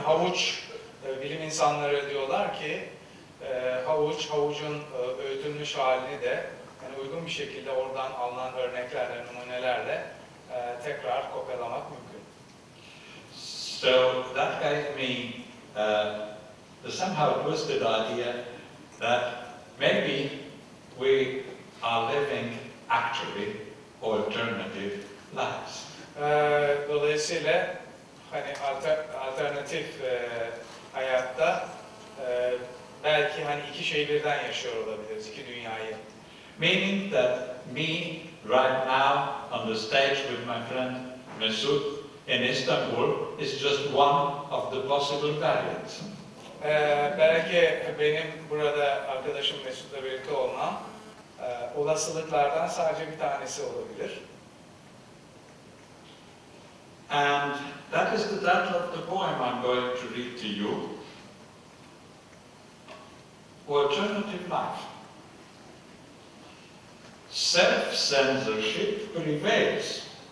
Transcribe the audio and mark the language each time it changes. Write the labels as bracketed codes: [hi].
[tr] Havuç, bilim insanları diyorlar ki, havuç, havucun öğütülmüş halini de yani uygun bir şekilde oradan alınan örneklerle, numunelerle tekrar kopyalamak mümkün. [en] So that gave me the somehow twisted idea that maybe we are living actually alternative lives. [tr] Dolayısıyla hani alternatif hayatta belki hani iki şeyi birden yaşıyor olabiliriz, iki dünyayı. [en] Meaning that me right now on the stage with my friend Mesut in Istanbul is just one of the possible variants. [tr] Belki benim burada arkadaşım Mesut'la birlikte olmam olasılıklardan sadece bir tanesi olabilir. [en] And that is the title of the poem I'm going to read to you. Alternative life. Self-censorship prevails.